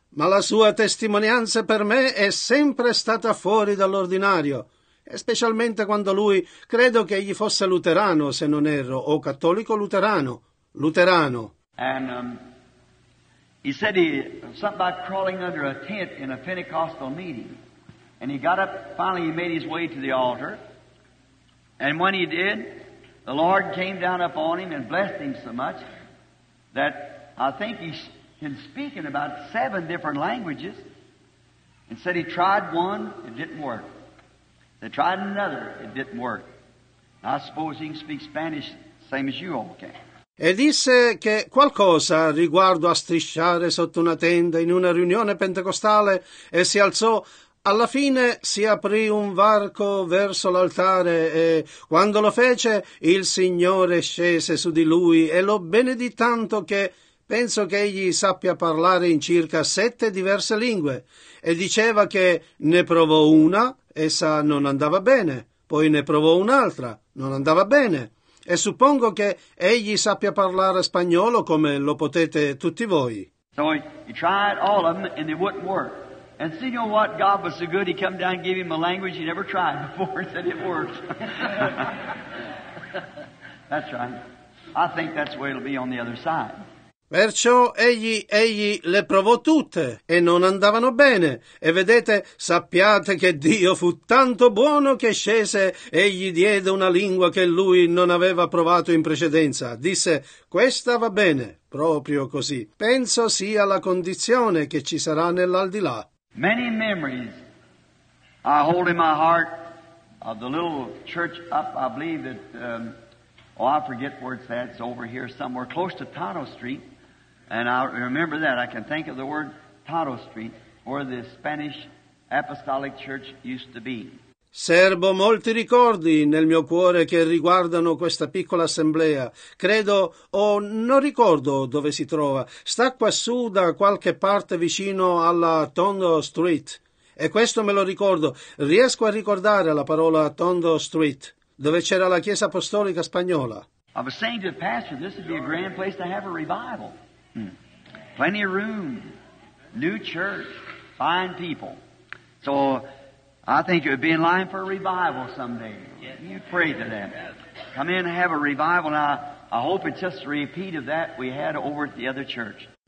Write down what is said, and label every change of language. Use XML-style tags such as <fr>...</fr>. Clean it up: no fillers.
<it>Ma la sua testimonianza per me è sempre stata fuori dall'ordinario, specialmente quando lui, credo che egli fosse luterano, se non erro, o cattolico luterano. Luterano.</it> <en>And he said something about crawling under a tent in a Pentecostal meeting. And he got up, finally he made his way to the altar. And when he did, the Lord came down upon him and blessed him so much that I think he can speak in about 7 different languages. And said he tried one, it didn't work. They tried another, it didn't work. And I suppose he can speak Spanish same as you all can.</en> <it>E disse che qualcosa riguardo a strisciare sotto una tenda in una riunione pentecostale e si alzò. Alla fine si aprì un varco verso l'altare e quando lo fece il Signore scese su di lui e lo benedì tanto che penso che egli sappia parlare in circa 7 diverse lingue e diceva che ne provò una, essa non andava bene, poi ne provò un'altra, non andava bene. E suppongo che egli sappia parlare spagnolo come lo potete tutti voi.</it> <en>So he tried all of them and they wouldn't work. And see, you know what? God was so good, he came down and gave him a language he never tried before and said it works. That's right. I think that's where it'll be on the other side.</en> <it>Perciò egli le provò tutte e non andavano bene. E vedete, sappiate che Dio fu tanto buono che scese e gli diede una lingua che lui non aveva provato in precedenza. Disse, questa va bene, proprio così. Penso sia la condizione che ci sarà nell'aldilà.</it> <en>Many memories I hold in my heart of the little church up, I believe that, I forget where it's at, it's over here somewhere, close to Tato Street. And I remember that. I can think of the word Tato Street, where the Spanish Apostolic Church used to be.</en> <it>Serbo molti ricordi nel mio cuore che riguardano questa piccola assemblea. Credo o non ricordo dove si trova. Sta quassù da qualche parte vicino alla Tondo Street. E questo me lo ricordo. Riesco a ricordare la parola Tondo Street, dove c'era la Chiesa Apostolica Spagnola.</it> <en>I was saying to the pastor, this would be a grand place to have a revival. Plenty of room, new church, fine people. So I think it would be in line for a revival someday. You pray to them. Come in and have a revival. Now, I hope it's just a repeat of that we had over at the other church.</en>